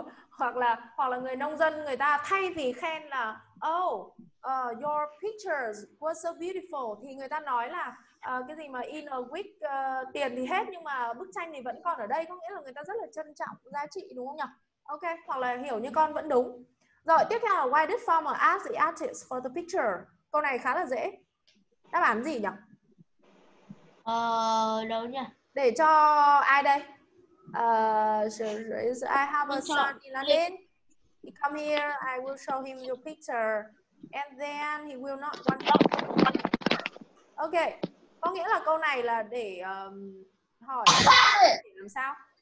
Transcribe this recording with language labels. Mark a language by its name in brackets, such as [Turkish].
[Vietnamese] hoặc là người nông dân người ta thay vì khen là [English] oh your pictures were so beautiful [Vietnamese] thì người ta nói là cái gì mà [English] in a week [Vietnamese] tiền thì hết nhưng mà bức tranh thì vẫn còn ở đây, có nghĩa là người ta rất là trân trọng giá trị đúng không nhỉ? Ok, hoặc là hiểu như con vẫn đúng. Rồi tiếp theo là [English] why did farmer ask the artist for the picture? [Vietnamese] Câu này khá là dễ. Đáp án gì nhỉ? Đâu nhỉ? Để cho ai đây? [English] I have a son in London. He come here, I will show him your picture and then he will not want to. Ok. [Vietnamese] Có nghĩa là câu này là để hỏi để làm sao?